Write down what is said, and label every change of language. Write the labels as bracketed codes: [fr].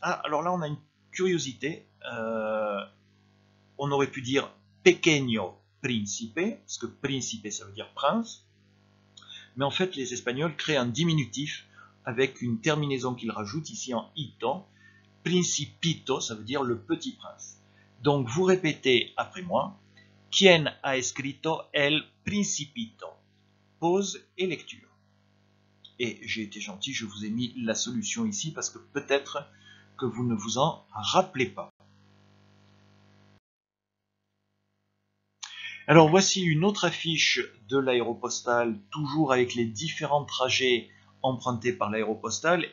[fr] Ah, alors là, on a une curiosité. On aurait pu dire Pequeño Príncipe, parce que Príncipe, ça veut dire prince. Mais en fait, les Espagnols créent un diminutif avec une terminaison qu'ils rajoutent ici en ito. Principito, ça veut dire le petit prince. Donc, vous répétez après moi. [es] ¿Quién ha escrito el Principito? [fr] Pause et lecture. Et j'ai été gentil, je vous ai mis la solution ici parce que peut-être que vous ne vous en rappelez pas. Alors voici une autre affiche de l'aéropostale, toujours avec les différents trajets empruntés par l'aéropostale.